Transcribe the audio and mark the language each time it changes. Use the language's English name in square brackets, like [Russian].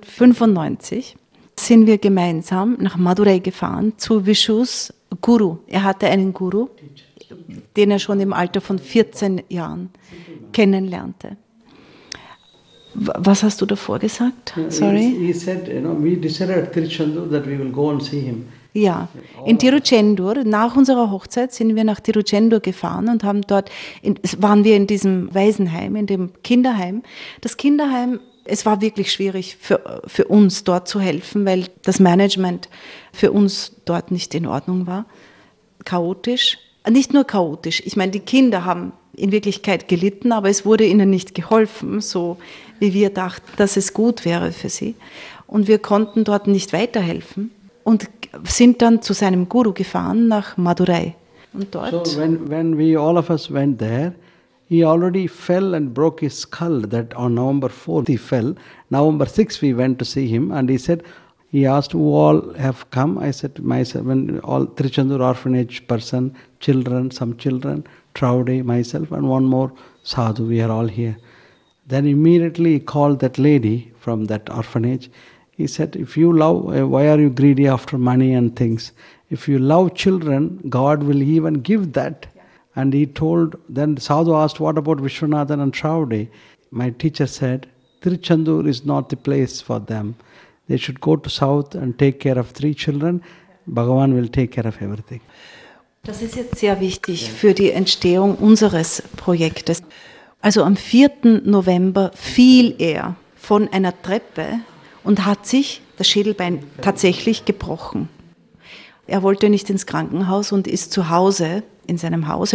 [German] November 1995 sind wir gemeinsam nach Madurai gefahren zu Vishus Guru. Er hatte einen Guru, den er schon im Alter von 14 Jahren kennenlernte. Was hast du davor gesagt? [English] Sorry. He said, you know, we decided at Tiruchendur that we will go and see him. [German] Ja, in Tiruchendur, nach unserer Hochzeit sind wir nach Tiruchendur gefahren und haben dort, waren wir in diesem Waisenheim, in dem Kinderheim. Das Kinderheim, es war wirklich schwierig für uns dort zu helfen, weil das Management für uns dort nicht in Ordnung war. Chaotisch, nicht nur chaotisch, ich meine, die Kinder haben in Wirklichkeit gelitten, aber es wurde ihnen nicht geholfen, so wie wir dachten, dass es gut wäre für sie. Und wir konnten dort nicht weiterhelfen. Und sind dann zu seinem Guru gefahren nach Madurai. Und dort. [English] So when we all of us went there, he already fell and broke his skull. That on November 4 he fell. November 6 we went to see him and he said, he asked who all have come. I said myself, when all Tiruchendur orphanage person, children, some children, Traude, myself, and one more sadhu, we are all here. Then immediately he called that lady from that orphanage. He said, if you love, why are you greedy after money and things? If you love children, God will even give that. Yeah. And he told, then Sadhu asked, what about Vishwanathan and Shravade? My teacher said, Tiruchendur is not the place for them. They should go to south and take care of three children. Yeah. Bhagavan will take care of everything. [German] Das ist jetzt sehr wichtig für die Entstehung unseres Projektes. Also am 4. November fiel er von einer Treppe und hat sich das Schädelbein tatsächlich gebrochen. Er wollte nicht ins Krankenhaus und ist zu Hause in seinem Haus.